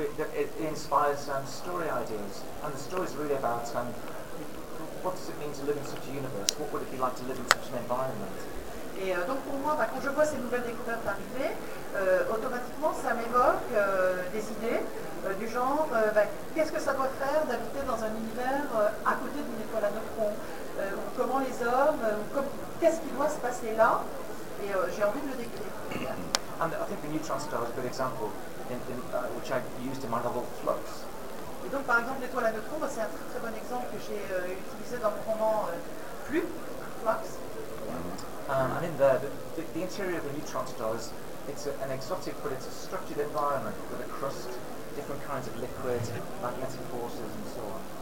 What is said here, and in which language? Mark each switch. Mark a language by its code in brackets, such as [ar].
[en] it inspires some story ideas, and the story is really about what does it mean to live in such a universe? What would it be like to live in such an environment? [fr] Et donc pour moi, quand je vois ces nouvelles découvertes arriver, automatiquement ça m'évoque des idées du genre qu'est-ce que ça doit faire d'habiter dans un univers à côté d'une étoile à neutrons, ou comment les hommes, qu'est-ce qui doit se passer là, et j'ai envie de le décrire. [en] And I think the neutron star is a good example, which I used in my novel Flux. [fr] Et donc par exemple l'étoile à neutrons, c'est un très très bon exemple que j'ai utilisé dans mon roman Flux. [en] And in there, the interior of the neutron star is, it's an exotic, but it's a structured environment with a crust, different kinds of liquids, magnetic forces, and so on.